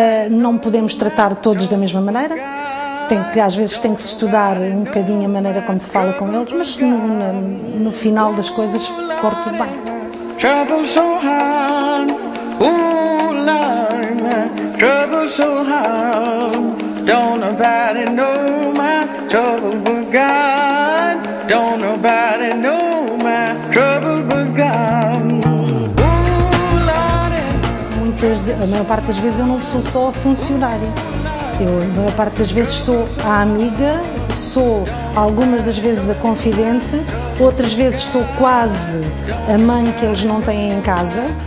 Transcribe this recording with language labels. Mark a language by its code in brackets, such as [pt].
[pt] Não podemos tratar todos da mesma maneira. Às vezes tem que se estudar um bocadinho a maneira como se fala com eles, mas no final das coisas corre tudo bem. [en] Trouble so hard, ooh, line, trouble so hard, don't nobody know my trouble with God. Don't nobody know my trouble with God. [pt] A maior parte das vezes eu não sou só a funcionária. Eu, a maior parte das vezes, sou a amiga, sou algumas das vezes a confidente, outras vezes sou quase a mãe que eles não têm em casa.